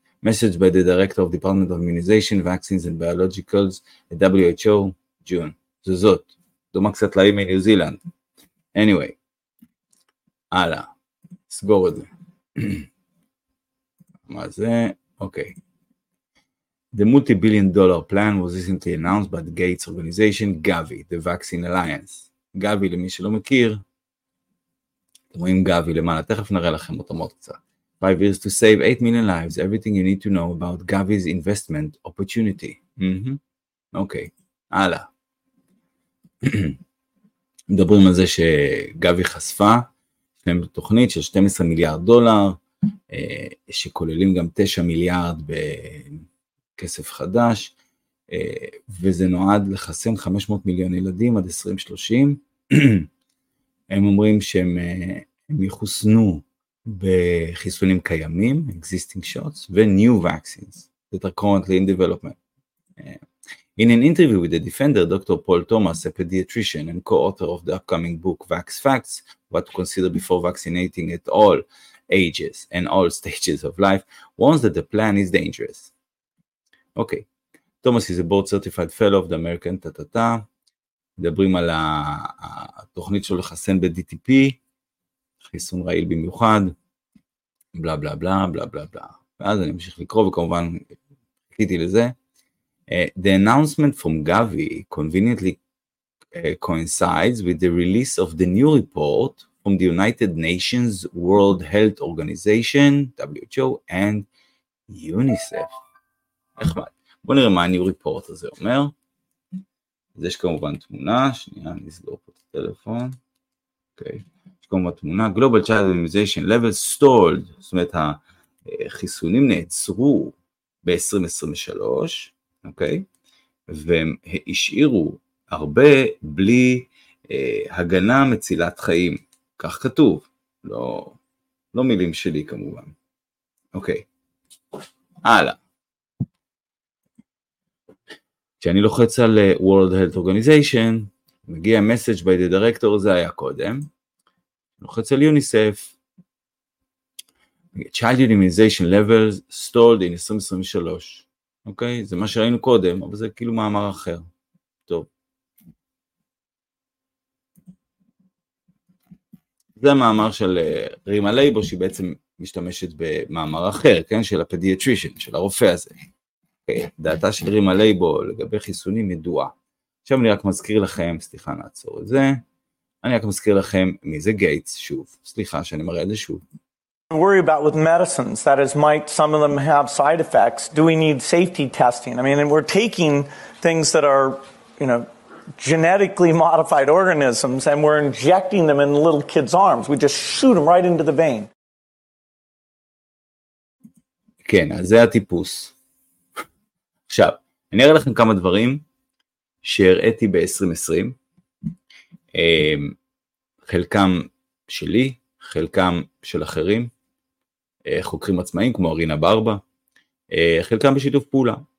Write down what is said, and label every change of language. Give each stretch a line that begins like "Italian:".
English: Message by the Director of Department of Immunization, Vaccines and Biologicals, WHO, June.
Hebrew: זו זאת. דומה קצת לאי מניו זילנד.
English: Anyway,
Hebrew: הלאה. סגור את זה. מה זה? אוקיי.
English: The multi-billion dollar plan was recently announced by the Gates Organization, Gavi, the Vaccine Alliance.
Hebrew: Gavi, למי שלא מכיר, אתם רואים Gavi למעלה, תכף נראה לכם אותם עוד קצת.
English: 5 years to save 8 million lives, everything you need to know about Gavi's investment opportunity.
Hebrew: אוקיי, הלאה. מדברים על זה שגבי חשפה, שהם בתוכנית של 12 מיליארד דולר, שכוללים גם 9 מיליארד בכסף חדש, וזה נועד לחסן 500 מיליון ילדים עד 2030. הם אומרים שהם יחוסנו בחיסונים קיימים,
English: existing shots, ו-new vaccines, that are currently in development. In an interview with the defender, Dr. Paul Thomas, a pediatrician and co-author of the upcoming book Vax Facts, What to Consider Before Vaccinating at All Ages and All Stages of Life, warns that the plan is dangerous. Okay, Thomas is a board-certified fellow of the American Tatata.
Hebrew: מדברים על התוכנית שלו לחסן ב-DTP, חיסון רעיל במיוחד, בלה בלה בלה בלה בלה בלה. ואז אני אמשיך לקרוא וכמובן חיכיתי לזה.
English: The announcement from Gavi conveniently coincides with the release of the new report from the United Nations World Health Organization, WHO, and UNICEF.
Hebrew: נחמד. בוא נראה מה ה-
English: new report
Hebrew: הזה אומר. אז יש כמובן תמונה, שנייה, אני אסגור פה את הטלפון. אוקיי. יש כמובן תמונה,
English: Global Child Immunization Level Stalled,
Hebrew: זאת אומרת, החיסונים נעצרו ב-2023, אוקיי? והם השאירו הרבה בלי הגנה מצילת חיים. כך כתוב. לא מילים שלי כמובן. אוקיי. הלאה. כשאני לוחץ על World Health Organization, מגיע
English: message by the director,
Hebrew: זה היה קודם. לוחץ על UNICEF.
English: Child immunization levels stalled in 2023.
Hebrew: אוקיי, זה מה שראינו קודם, אבל זה כאילו מאמר אחר. טוב. זה מאמר של רימה לייבו, שהיא בעצם משתמשת במאמר אחר, כן? של הפדיאטרישן, של הרופא הזה. אוקיי, דעתה של רימה לייבו לגבי חיסונים ידועה. עכשיו אני רק מזכיר לכם, סליחה נעצור את זה, אני רק מזכיר לכם מי זה גייטס שוב. סליחה שאני מראה את זה שוב.
English: Worry about with medicines, that is, might some of them have side effects? Do we need safety testing? I mean, and we're taking things that are, you know, genetically modified organisms, and we're injecting them in little kids' arms. We just shoot them right into the vein.
Hebrew: כן, אז זה הטיפוס. עכשיו, אני אראה לכם כמה דברים שהראיתי ב-2020. חלקם שלי, חלקם של אחרים. חוקרים עצמאים כמו ארינה ברבה, חלקם בשיתוף פעולה.